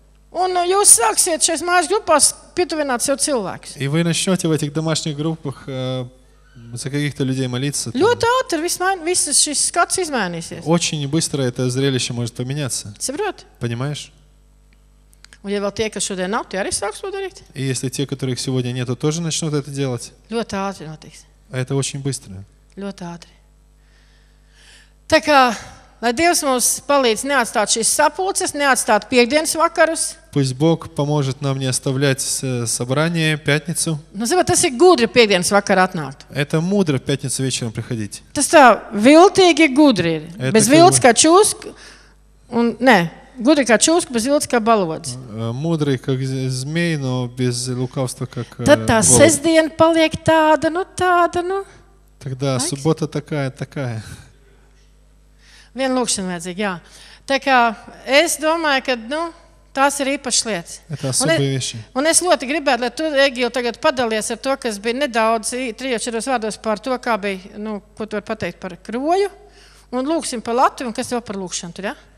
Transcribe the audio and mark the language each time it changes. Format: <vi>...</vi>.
<lv>Un jūs sāksiet šajās mājas grupās pietuvināt sev cilvēkus.</lv> <ru>И вы начнете в этих домашних группах За каких-то людей молиться.</ru> <lv>Ļoti ātri viss šis skats izmainīsies.</lv> <ru>Очень быстро это зрелище может поменяться.</ru> <lv>Saproti?</lv> <ru>Понимаешь?</ru> <lv>Un ja vēl tie, kas šodien nav, tie arī sāks to darīt.</lv> <ru>И если те, которых сегодня нету, тоже начнут это делать.</ru> <lv>Ļoti ātri notiks.</lv> <ru>Это очень быстро.</ru> <lv>Ļoti ātri. Tā kā, lai Dievs mums palīdz neatstāt šīs sapulces, neatstāt piekdienas vakarus.</lv> <ru>Пусть Бог поможет нам не оставлять собрание пятницу. Ну, зато</ru> <lv>tas ir gudri piekdienas vakarā atnākt.</lv> <ru>Это мудро в пятницу вечером приходить.</ru> <lv>Tas tā viltīgi gudri ir. Bez vilts kā čūsk, un, nē, gudri kā čūsk, bez vilts kā balodzi.</lv> <ru>Мудрый как змей, но без лукавства как голубь.</ru> <lv>Tad tā sestdiena paliek tāda, nu tāda, nu.</lv> <ru>Тогда суббота такая, такая.</ru> <lv>Vien lūkšana vajadzīga, jā. Tā kā es domāju, ka, nu, tās ir īpašas lietas. Un es ļoti gribētu, lai tu, Egil, tagad padalies ar to, kas bija nedaudz 3-4 vārdos par to, kā bija, nu, ko tu var pateikt par kroju. Un lūksim par Latviju, un kas vēl par lūkšanu tur, jā?</lv>